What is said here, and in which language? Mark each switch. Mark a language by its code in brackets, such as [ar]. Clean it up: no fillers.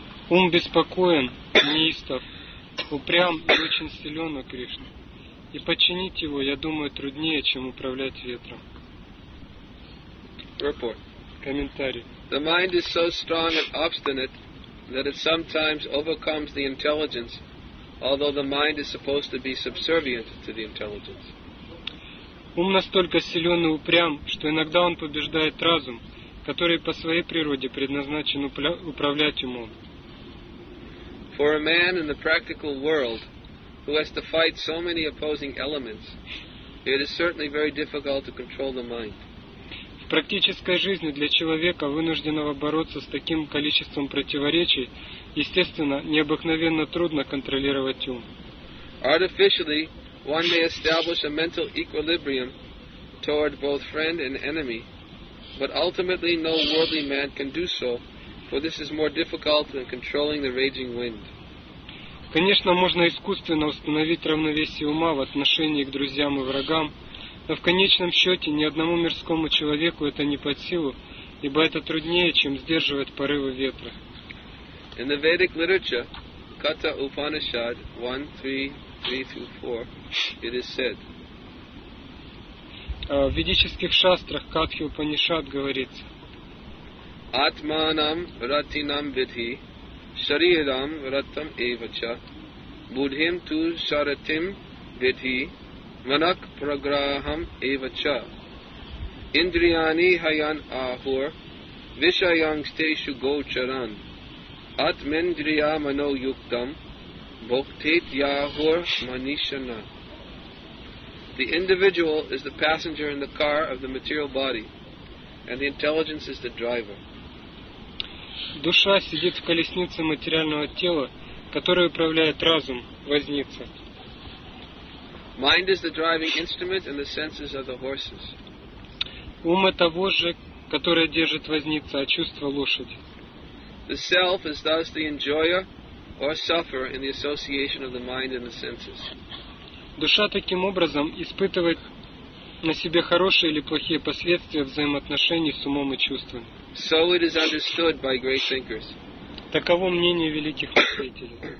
[ru] Ум беспокоен, неистов, упрям и очень силен, о Кришна. И подчинить его, я думаю, труднее, чем управлять ветром. [en] Report. [ru] Комментарий. [en] The mind is so strong and obstinate that it sometimes overcomes the intelligence, although the mind is supposed to be subservient to the intelligence. [ru] Ум настолько силен и упрям, что иногда он побеждает разум, который по своей природе предназначен управлять умом. [en] For a man in the practical world who has to fight so many opposing elements, it is certainly very difficult to control the mind. [ru] В практической жизни для человека, вынужденного бороться с таким количеством противоречий, естественно, необыкновенно трудно контролировать ум. [en] Artificially, one may establish a mental equilibrium toward both friend and enemy, but ultimately no worldly man can do so, for this is more difficult than controlling the raging wind. [ru] Конечно, можно искусственно установить равновесие ума в отношении к друзьям и врагам, но в конечном счете ни одному мирскому человеку это не под силу, ибо это труднее, чем сдерживать порывы ветра. [en] In the Vedic literature, Katha Upanishad 1:3-4, it is said. [ru] В ведических шастрах Катхи Упанишад говорится. [sa] Атманам ратинам видхи, шарирам ратам эвача, будхим ту шаратим видхи, манак праграхам эвача. Индриани хаян ахур, вишаянгстешу гочаран, атмендрия мано юктам, бхоктет яхур манишана. [en] The individual is the passenger in the car of the material body, and the intelligence is the driver. [ru] Душа сидит в колеснице материального тела, которое управляет разум, возница. [en] Mind is the driving instrument and the senses are the horses. [ru] Ум это вожжи, которое держит возница, а чувство лошади. [en] The self is thus the enjoyer or sufferer in the association of the mind and the senses. [ru] Душа таким образом испытывает на себе хорошие или плохие последствия взаимоотношений с умом и чувствами. [en] So it is understood by great thinkers. [ru] Таково мнение великих мыслителей.